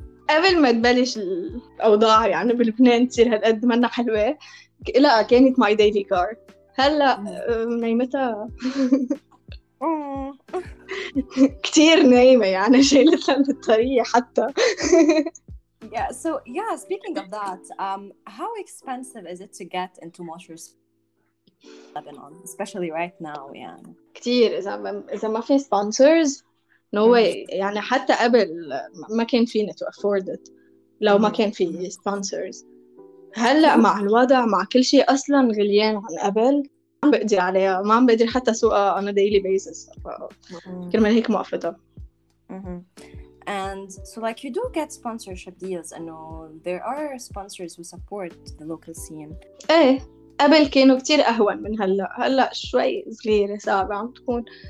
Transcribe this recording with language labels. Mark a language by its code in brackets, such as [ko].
[ar] قبل ما تبلش الأوضاع يعني بلبنان تصير هالقد منا حلوة لا كانت [en] my daily car [ar] هلا نايمتها كتير نايمة يعني شايلتها بالطريق حتى يا [en] Yeah, so yeah, speaking of that, how expensive is it to get into Mosher's Lebanon, especially right now? Yeah. [ar] كتير إذا ما في sponsors, [en] no way. [ar] يعني حتى قبل ما كان فينا [en] to afford it [ar] لو ما كان في sponsors. هلأ مع الوضع مع كل شيء أصلاً غليان عن قبل, ما بقدر عليها, ما عم بقدر حتى سوقها [en] on a daily basis. [ar] كرمال هيك موقفتها. [en] And so like you do get sponsorship deals and all. There are sponsors who support the local scene. [ar] إيه قبل كانوا كتير أهون من هلأ, هلأ شوي صغيرة صعبة عم تكون.